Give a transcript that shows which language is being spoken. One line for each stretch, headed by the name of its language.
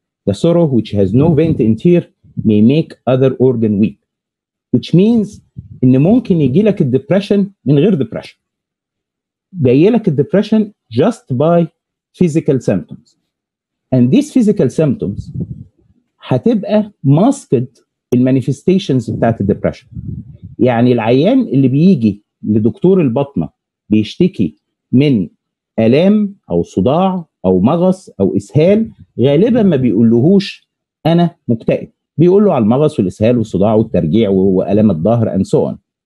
English: The sorrow which has no vent in tear may make other organ weep. Which means
Arabic: ان ممكن يجي لك الدبريشن من غير دبريشن. جاي لك الدبريشن
English: just by physical symptoms. And these physical symptoms هتبقى masked المانيفستيشنز
Arabic: بتاعت الدبريشن. يعني العيان اللي بيجي لدكتور البطنة بيشتكي من آلام أو صداع أو مغص أو إسهال، غالبا ما بيقولهوش أنا مكتئب، بيقوله على المغص والإسهال والصداع والترجيع وألم الظهر
English: and so on.